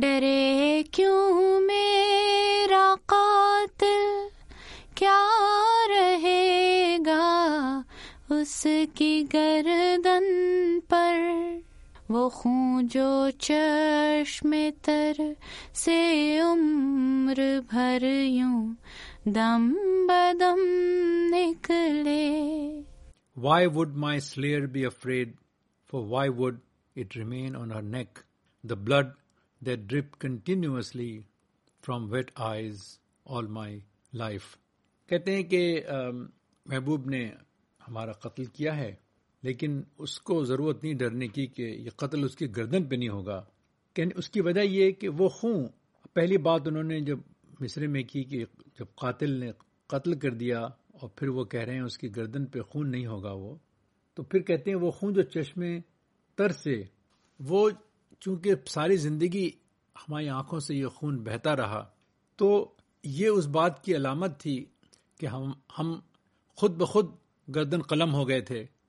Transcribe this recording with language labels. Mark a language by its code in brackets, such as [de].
[ur] ڈرے کیوں میرا قاتل, کیا رہے گا اس کی گردن پر, وہ خون جو چشم تر سے عمر بھر یوں دم بدم نکلے. [en] Why would my slayer be afraid, for why would it remain on her neck, the blood that dripped continuously from wet eyes all my life. [ur] کہتے ہیں کہ محبوب نے ہمارا قتل کیا ہے, لیکن اس کو ضرورت نہیں ڈرنے کی کہ یہ قتل اس کی گردن پہ نہیں ہوگا. اس کی وجہ یہ کہ وہ خون, پہلی بات انہوں نے جب مصرے میں کی کہ جب قاتل نے قتل کر دیا اور پھر وہ کہہ رہے ہیں اس کی گردن پہ خون نہیں ہوگا, وہ تو پھر کہتے ہیں وہ خون جو چشمے تر سے, وہ چونکہ ساری زندگی ہماری آنکھوں سے یہ خون بہتا رہا, تو یہ اس بات کی علامت تھی کہ ہم خود بخود گردن قلم ہو گئے تھے.